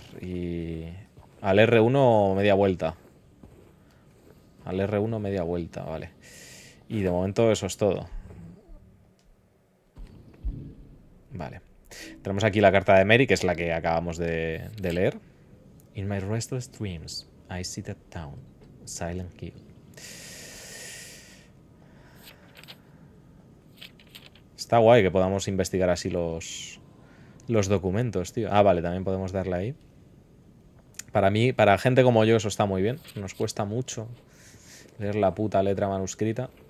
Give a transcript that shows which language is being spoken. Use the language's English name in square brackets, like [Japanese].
[Spanish] Y... Al R1 media vuelta. Al R1 media vuelta, vale. Y de momento eso es todo. Vale. Tenemos aquí la carta de Mary, que es la que acabamos de leer. [English] In my restless dreams, I see the town, Silent Hill. [Spanish] Está guay que podamos investigar así los documentos, tío. Ah, vale, también podemos darle ahí. Para mí, para gente como yo, eso está muy bien. Nos cuesta mucho leer la puta letra manuscrita.